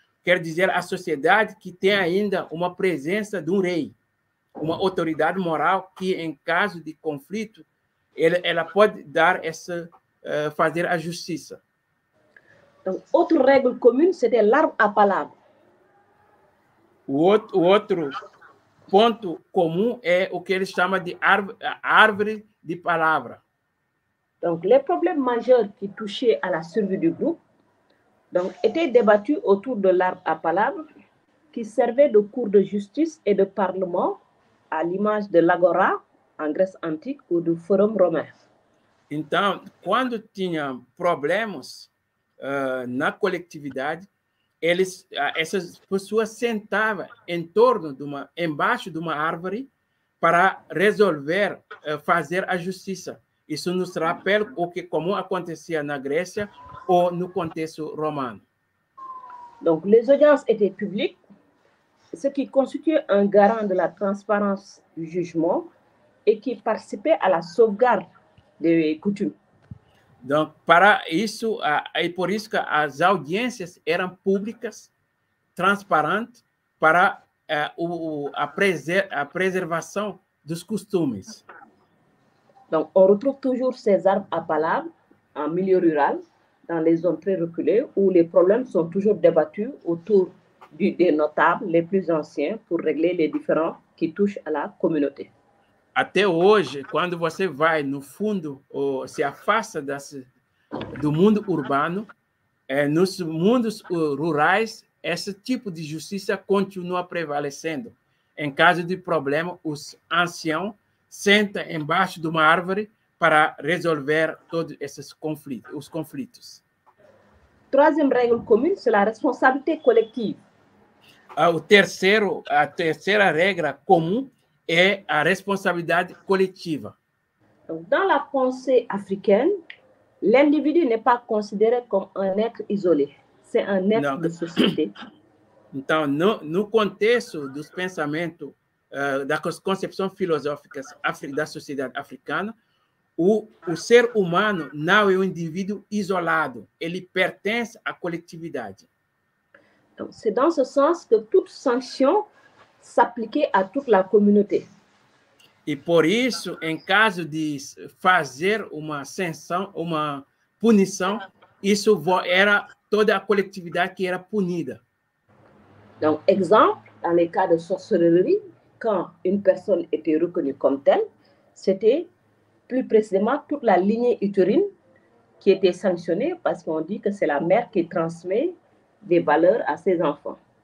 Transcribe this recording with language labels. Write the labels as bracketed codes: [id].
[pt] Quer dizer, a sociedade que tem ainda uma presença de um rei, uma autoridade moral que em caso de conflito ela pode dar essa fazer a justiça. Então, outra regra comum seria dar a palavra. O outro ponto comum é o que ele chama de árvore de palavra. [fr] Donc, les problèmes majeurs qui touchaient à la survie du groupe donc, étaient débattus autour de l'arbre à palabre qui servait de cour de justice et de parlement à l'image de l'agora en Grèce antique ou du forum romain. [pt] Então, quando tinham problemas na coletividade, essas pessoas sentavam em torno de uma, embaixo de uma árvore para resolver, fazer a justiça. Isso nos rappelle o que comum acontecia na Grécia ou no contexto romano. [fr] Donc les audiences étaient publiques, ce qui constituait un garant de la transparence du jugement et qui participait à la sauvegarde des coutumes. [pt] Donc para isso e por isso que as audiências eram públicas, transparentes para a preservação dos costumes. [fr] Donc, on retrouve toujours ces arbres à palabre en milieu rural, dans les zones très reculées, où les problèmes sont toujours débattus autour des notables les plus anciens pour régler les différends qui touchent à la communauté. [pt] Até hoje, quando você vai no fundo, ou se afasta do mundo urbano, nos mundos rurais, esse tipo de justiça continua prevalecendo. Em caso de problema, os anciãos senta embaixo de uma árvore para resolver todos esses conflitos, os conflitos. [fr] Troisième règle commune, c'est la responsabilité collective. [pt] A terceira regra comum é a responsabilidade coletiva. [fr] Dans la pensée africaine, l'individu n'est pas considéré comme un être isolé, c'est un être de société. [pt] Então, no contexto dos pensamentos da concepção filosófica da sociedade africana, o ser humano não é um indivíduo isolado, ele pertence à coletividade. [fr] Então, c'est dans ce sens que toute sanction s'appliquait à toute la communauté. [pt] E por isso, em caso de fazer uma sanção, uma punição, isso era toda a coletividade que era punida. Então, exemplo, [fr] dans les cas de sorcellerie, quand une personne était reconnue comme telle, c'était plus précisément toute la lignée utérine qui était sanctionnée parce qu'on dit que c'est la mère qui transmet des valeurs à ses enfants.